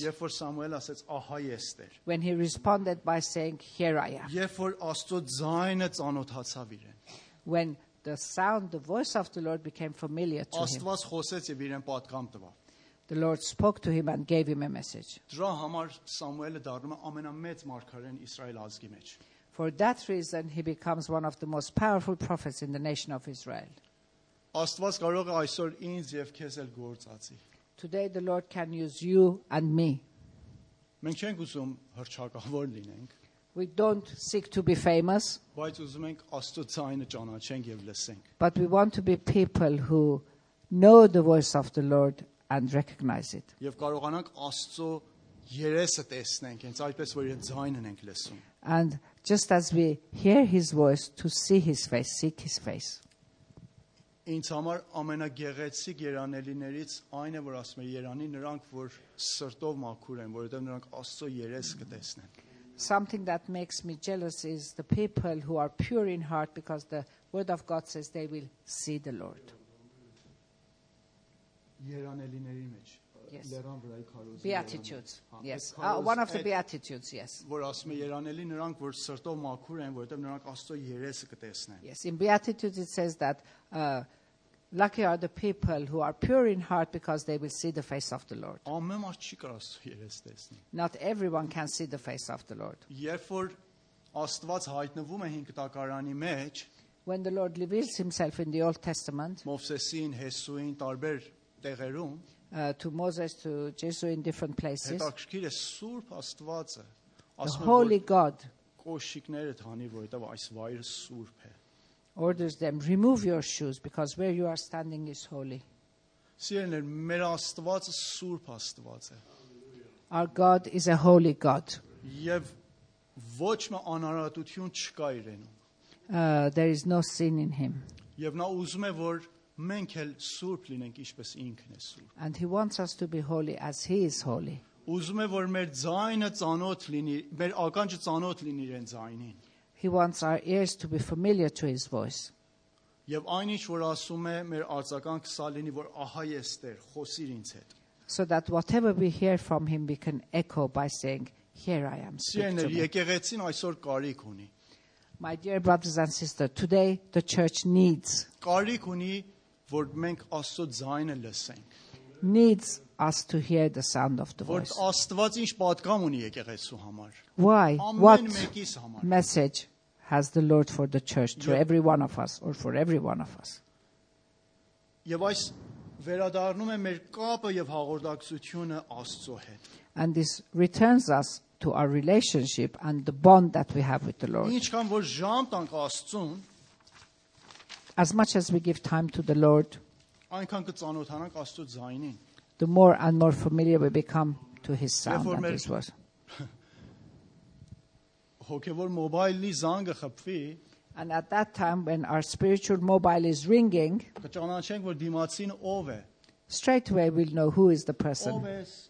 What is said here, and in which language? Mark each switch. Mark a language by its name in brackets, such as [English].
[Armenian] Երբոր Սամուել ասաց, «Ահա ես Տեր»։ [English] When he responded by saying, «Here I am»։ [Armenian] Երբոր Աստծո ձայնը ծանոթացավ իրեն։ [English] When the sound, the voice of the Lord became familiar to him. [Armenian] Աստված խոսեց եւ իրեն պատգամ տվավ։ [English] The Lord spoke to him and gave him a message. [Armenian] Դրա համար Սամուելը դառնում է ամենամեծ մարգարեն Իսրայել ազգի մեջ։ [English] For that reason he becomes one of the most powerful prophets in the nation of Israel. [Armenian] Աստված կարող է այսօր ինձ եւ քեզ էլ գործածի։ [English] Today the Lord can use you and me. [Armenian] Մենք չենք ուզում հրճակավոր լինենք։ [English] We don't seek to be famous. [Armenian] Բայց ուզում ենք Աստծո ձայնը ճանաչենք եւ լսենք։ [English] But we want to be people who know the voice of the Lord and recognize it. [Armenian] Եվ կարողանանք Աստծո երեսը տեսնենք, հենց այնպես որ իր ձայնը ենք լսում։ [English] And just as we hear his voice, to see his face, seek his face. [Armenian] Ինձ համար ամենագեղեցիկ երանելիներից այն է, որ ասում է երանի նրանք, որ սրտով մաքուր են, որովհետև նրանք Աստծո երես կտեսնեն։ [English] Something that makes me jealous is the people who are pure in heart because the word of God says they will see the Lord. [Armenian] Երանելիների մեջ լեռան վրայի քարոզի։ [English] Beatitudes. Yes. One of the beatitudes, yes. [Armenian] Որ ասում է երանելի նրանք, որ սրտով մաքուր են, որովհետև նրանք Աստծո երեսը կտեսնեն։ [English] Yes, in beatitudes it says that lucky are the people who are pure in heart because they will see the face of the Lord. [Armenian] Ամեն ոչ չի կարող Աստծո երես տեսնի։ [English] Not everyone can see the face of the Lord. [Armenian] Երբ որ Աստված հայտնվում է Հին Կտակարանի մեջ, [English] when the Lord reveals himself in the Old Testament, [Armenian] Մովսեսին, Հեսուին, տարբեր տեղերում, [English] To Moses, to Jesus in different places. [Armenian] Հետաքրքիր է, Սուրբ Աստվածը ասում է, [English] Holy God, [Armenian] կոշիկներ է տանի, որովհետև այս վայրը սուրբ է. [English] Orders them, remove your shoes because where you are standing is holy. [Armenian] Սիրելիներ, մեր Աստվածը Սուրբ Աստված է. [English] Our God is a holy God. [Armenian] Եվ ոչ մի անարատություն չկա իրենում. [English] There is no sin in him. [Armenian] Եվ նա ուզում է, որ մենք էլ սուրբ լինենք ինչպես ինքն է սուրբ։ [English] And he wants us to be holy as he is holy. [Armenian] Ուզում է, որ մեր ձայնը ծանոթ լինի, մեր ականջը ծանոթ լինի իրեն ձայնին։ [English] He wants our ears to be familiar to his voice. [Armenian] Եվ այնինչ որ ասում է, մեր արձականքը սա լինի, որ ահա ես Տեր, խոսիր ինձ հետ։ [English] So that whatever we hear from him we can echo by saying, here I am. [Armenian] Սիրելի եկեղեցին այսօր կարիք ունի։ [English] My dear brothers and sisters, today the church needs. [Armenian] Կարիք ունի որ մենք Աստծո ձայնը լսենք. [English] Needs us to hear the sound of the voice. [Armenian] Որ Աստված ինչ պատգամ ունի եկեղեցու համար։ [English] Why? [Armenian] Ամեն մեկիս համար։ [English] What message has the Lord for the church, to every one of us or for every one of us? [Armenian] Եվ այս վերադառնում է մեր կապը եւ հաղորդակցությունը Աստծո հետ։ [English] And this returns us to our relationship and the bond that we have with the Lord. [Armenian] Ինչքան որ ժամ տանք Աստծուն, [English] As much as we give time to the Lord, the more and more familiar we become to his sound and his voice. And at that time, when our spiritual mobile is ringing, straight away we'll know who is the person.